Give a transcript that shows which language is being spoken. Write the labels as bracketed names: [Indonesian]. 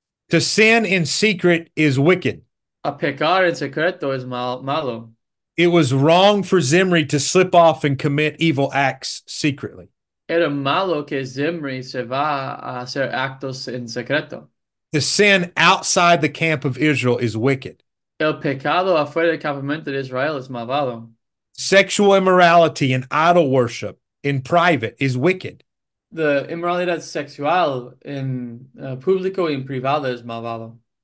[English] To sin in secret is wicked. [Spanish] A pecar en secreto es malo. [English] It was wrong for Zimri to slip off and commit evil acts secretly. [Spanish] Era malo que Zimri se va a hacer actos en secreto. [English] To sin outside the camp of Israel is wicked. [Spanish] El pecado afuera del campamento de Israel es malvado. [English] Sexual immorality and idol worship in private is wicked. [Spanish] La inmoralidad sexual en público y en privado es malvado.